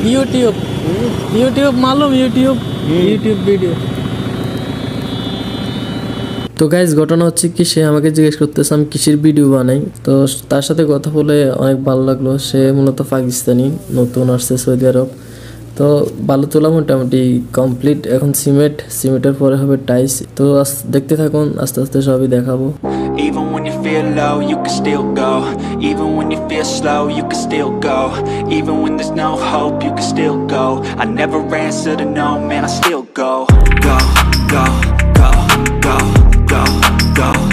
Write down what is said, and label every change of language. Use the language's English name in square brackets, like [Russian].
[Bangla] YouTube, YouTube, মালুম YouTube, YouTube video. তো guys, ঘটনা হচ্ছে কি, সে আমাকে জিজ্ঞেস করতেছে আমি কিসের ভিডিও বানাই। তো তার সাথে কথা বলে অনেক ভালো লাগলো। সে মূলত পাকিস্তানি, নতুন আসছে সৌদি আরব। তো ভালো তোলা মোটামুটি কমপ্লিট, এখন সিমেন্ট, সিমেন্টের পরে হবে টাইলস। তো দেখতে থাকুন, আস্তে আস্তে সবই দেখাবো। [English] Even when you feel low, you can still go. Even when you feel slow, you can still go. Even when there's no hope, you can still go. I never answer to no, man, I still go. Go, go, go, go, go, go.